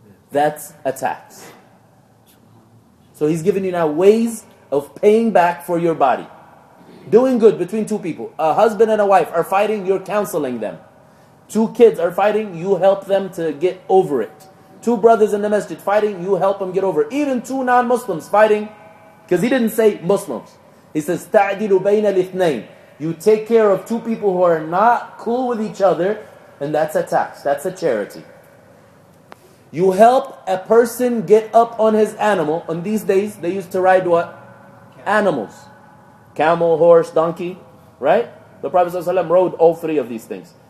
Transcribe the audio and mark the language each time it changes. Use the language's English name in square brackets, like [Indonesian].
[English] That's a tax. So he's giving you now ways of paying back for your body. Doing good between two people. A husband and a wife are fighting, you're counseling them. Two kids are fighting, you help them to get over it. Two brothers in the masjid fighting, you help them get over it. Even two non-Muslims fighting, because he didn't say Muslims. He says, [Arabic] تَعْدِلُ بَيْنَ الْإِثْنَيْنِ. [English] You take care of two people who are not cool with each other, and that's a tax, that's a charity. You help a person get up on his animal. On these days, they used to ride what? Animals. Camel, horse, donkey, right? The Prophet ﷺ rode all three of these things.